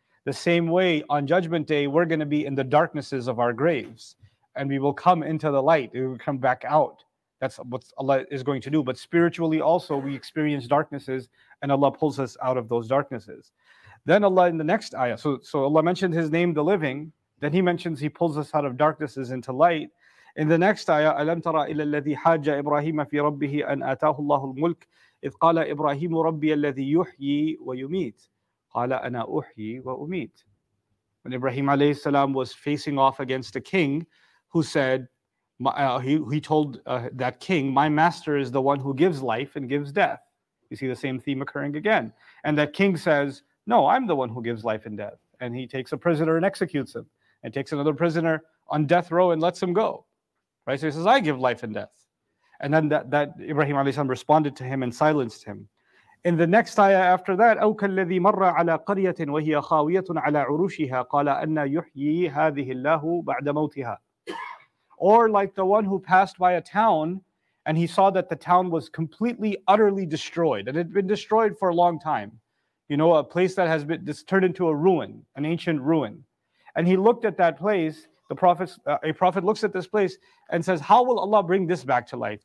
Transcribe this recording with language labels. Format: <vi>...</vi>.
<en>The same way on Judgment Day, we're going to be in the darknesses of our graves, and we will come into the light, we will come back out. That's what Allah is going to do. But spiritually also, we experience darknesses, and Allah pulls us out of those darknesses. Then Allah, in the next ayah, so Allah mentioned His name, the living, then He mentions He pulls us out of darknesses into light. In the next ayah,</en> <ar>أَلَمْ تَرَى إِلَى الَّذِي حَاجَّ إِبْرَاهِيمَ فِي رَبِّهِ أَنْ آتَاهُ اللَّهُ الْمُلْكِ إذ قال إبراهيم ربي الذي يحيي ويميت قال أنا أحيي وأميت.</ar> <en>When Ibrahim alayhi salam was facing off against a king who said, he told that king, my master is the one who gives life and gives death. You see the same theme occurring again. And that king says, no, I'm the one who gives life and death. And he takes a prisoner and executes him, and takes another prisoner on death row and lets him go. Right? So he says, I give life and death. And then that Ibrahim alayhi salam responded to him and silenced him. In the next ayah after that,</en> <ar>أَوْ كَالَّذِي مَرَّ عَلَىٰ قَرْيَةٍ وَهِيَ خَاوِيَةٌ عَلَىٰ عُرُوشِهَا قَالَ أَنَّ يُحْيِي هَذِهِ اللَّهُ بَعْدَ مَوْتِهَا.</ar> <en>Or like the one who passed by a town and he saw that the town was completely, utterly destroyed. It had been destroyed for a long time. You know, a place that has been this turned into a ruin, an ancient ruin. And he looked at that place, a prophet looks at this place and says, how will Allah bring this back to life?</en>